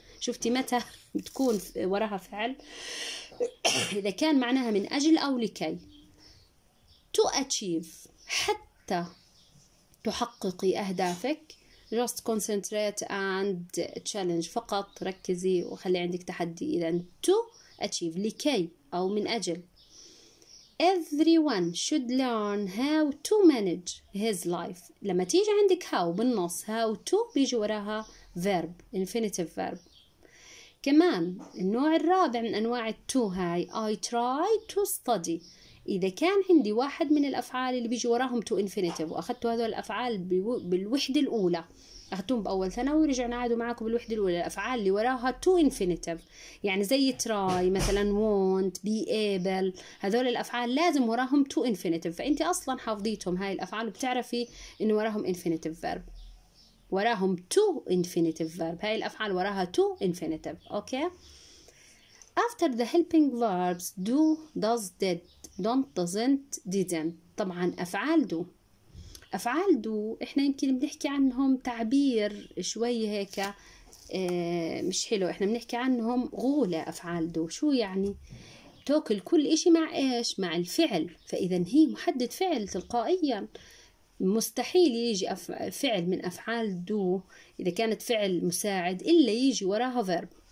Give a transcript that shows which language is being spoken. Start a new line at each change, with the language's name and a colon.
Arabic: شفتي متى بتكون وراها فعل؟ إذا كان معناها من أجل أو لكي.
English: تو أتشيف
Arabic: حتى تحققي أهدافك،
English: just concentrate and challenge
Arabic: فقط ركزي وخلي عندك تحدي. إذا
English: تو أتشيف
Arabic: لكي أو من أجل.
English: Everyone should learn how to manage his life.
Arabic: لما تيجي عندك how بالنص، how to بيجي وراها verb infinitive verb. كمان النوع الرابع من أنواع to هاي
English: I try to study.
Arabic: إذا كان عندي واحد من الأفعال اللي بيجي وراهم to infinitive وأخذتوا هذول الأفعال بالوحدة الأولى، أخذتهم بأول ثانوي ورجعنا عادوا معاكم بالوحدة الأولى، الأفعال اللي وراها to infinitive يعني زي try مثلا، want، be able، هذول الأفعال لازم وراهم to infinitive، فأنت أصلا حافظيتهم هاي الأفعال وبتعرفي إنه وراهم infinitive verb، وراهم to infinitive verb، هاي الأفعال وراها to infinitive. أوكي.
English: After the helping verbs do, does, did, don't, doesn't, didn't.
Arabic: طبعا أفعال do، أفعال دو إحنا يمكن بنحكي عنهم تعبير شوي هيك مش حلو، إحنا بنحكي عنهم غولة. أفعال دو شو يعني؟ تأكل كل إشي مع إيش؟ مع الفعل. فإذا هي محدد فعل تلقائيا، مستحيل يجي فعل من أفعال دو إذا كانت فعل مساعد إلا يجي وراها فيرب.